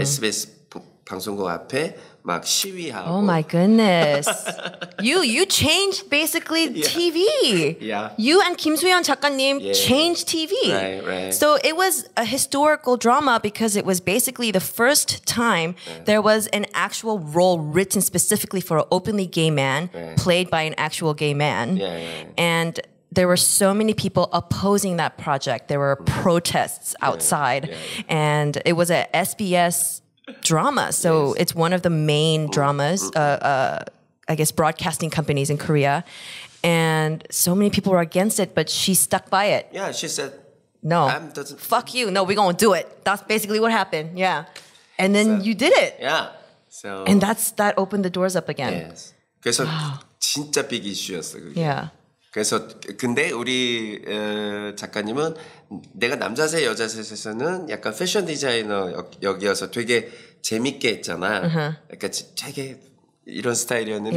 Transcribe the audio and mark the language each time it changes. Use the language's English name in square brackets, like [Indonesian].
[Korean] SBS 방송국 앞에 막 시위하고 [English] Oh my goodness. you changed basically TV. Yeah. You and Kim Soo-hyun 작가님 changed TV. Right. So it was a historical drama because it was basically the first time there was an actual role written specifically for an openly gay man played by an actual gay man. And there were so many people opposing that project. There were protests outside and it was a SBS drama. So it's one of the main dramas, I guess, broadcasting companies in Korea. And so many people were against it, but she stuck by it. Yeah, she said, no, fuck you. No, we're going to do it. That's basically what happened. Yeah. And then you did it. Yeah. So. And that opened the doors up again. Yes. [Korean] 그래서 진짜 big issue 였어, 그게. [English] Yeah. [Korean] 그래서 근데 우리 작가님은 내가 남자세 여자세에서는 약간 패션 디자이너 역이어서 되게 재밌게 했잖아. 그러니까 되게 이런 스타일이었는데.